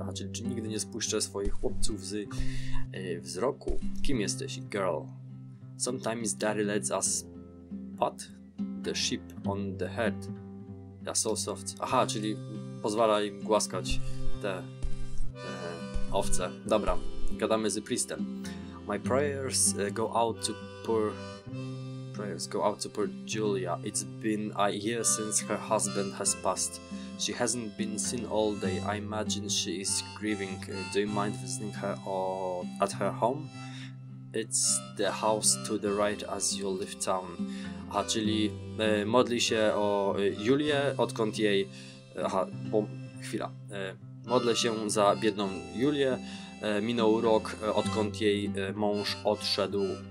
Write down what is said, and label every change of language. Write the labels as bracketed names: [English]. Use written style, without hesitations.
[Polish] Aha, czyli nigdy nie spuszczę swoich chłopców z wzroku. Kim jesteś? [English] Girl. Sometimes daddy lets us pat the sheep on the head. They're so soft. [Polish] Aha, czyli pozwala im głaskać te owce. Dobra, gadamy z priestem. [English] My prayers go out to poor... Prayers go out to poor Julia. It's been a year since her husband has passed. She hasn't been seen all day. I imagine she is grieving. Do you mind visiting her or at her home? It's the house to the right as you leave town. [Polish] Aha, czyli modli się o Julię, odkąd jej... Aha, chwila. Modlę się za biedną Julię. Minął rok, odkąd jej mąż odszedł.